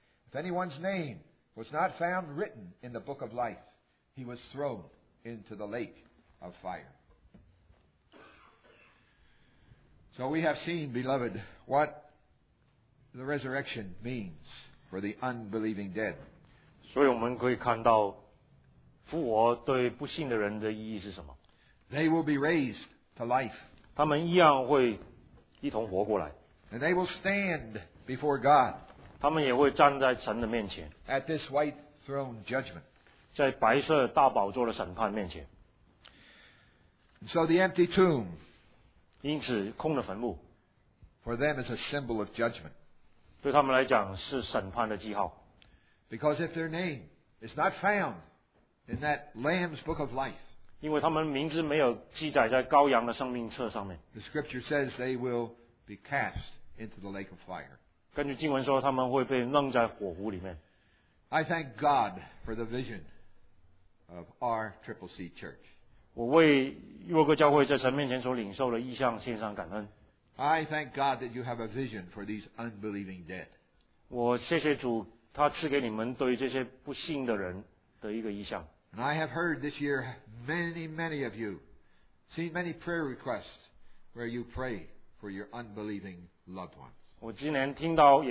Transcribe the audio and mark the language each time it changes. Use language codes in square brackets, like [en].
[en] If anyone's name was not found written in the book of life, he was thrown into the lake of fire. So we have seen, beloved, what the resurrection means for the unbelieving dead. [zh] 所以我们可以看到, 复活对不信的人的意义是什么? [en] They will be raised to life. [zh] 他们一样会一同活过来。 [en] And they will stand before God. [zh] 他们也会站在神的面前。 [en] At this white throne judgment. [zh] 在白色大宝座的审判面前。 [en] So the empty tomb. [zh] 因此空的坟墓, [en] for them is a symbol of judgment. [zh] 对他们来讲是审判的记号。 [en] Because if their name is not found in that Lamb's Book of Life, [zh] 因为他们名字没有记载在羔羊的生命册上面, [en] the Scripture says they will be cast into the lake of fire. [zh] 根据经文说他们会被扔在火湖里面。 [en] I thank God for the vision of our Triple C Church. [zh] 我为若各教会在神面前所领受的意象献上感恩。 [en] I thank God that you have a vision for these unbelieving dead. [zh] 我谢谢主, 他赐给你们对这些不信的人的一个意象。 [en] And I have heard this year many of you seen many prayer requests where you pray for your unbelieving loved ones.